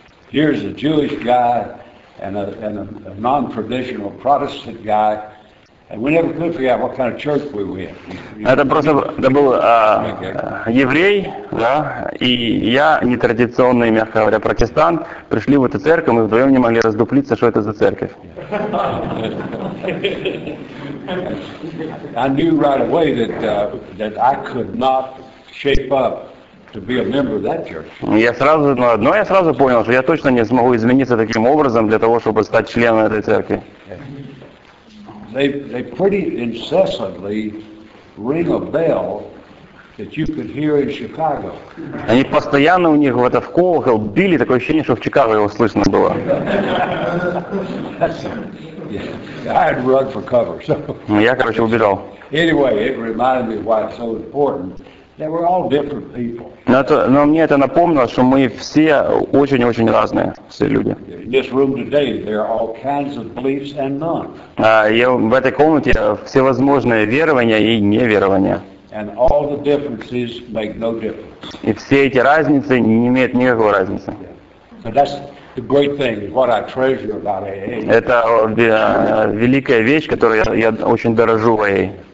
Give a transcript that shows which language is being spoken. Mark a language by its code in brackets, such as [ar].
[en] Here's a Jewish guy and a non-traditional Protestant guy. And we never could figure out what kind of church we were in. [ru] Это просто это был еврей, да, и я нетрадиционный, мягко говоря, протестант. Пришли в эту церковь, мы вдвоем не могли раздуплиться, что это за церковь. [en] I knew right away that I could not shape up to be a member of that church. [ru] Я сразу понял, что я точно не смогу измениться таким образом для того, чтобы стать членом этой церкви. [en] They pretty incessantly ring a bell that you could hear in Chicago. [ru] Они постоянно у них в колокол били, такое ощущение, что в Чикаго его слышно было. [en] I had run for cover, so. [ru] Я, короче, убежал. [en] Anyway, it reminded me why it's so important. That we're all different people. [ru] Но мне это напомнило, что мы все очень-очень разные, все люди. [en] In this room today, there are all kinds of beliefs and none. [ru] В этой комнате всевозможные верования и неверования. [en] And all the differences make no difference. [ru] И все эти разницы не имеют никакой разницы. [en] So that's the great thing, what I treasure about AA. [ru] Это великая вещь, которую я очень дорожу в AA.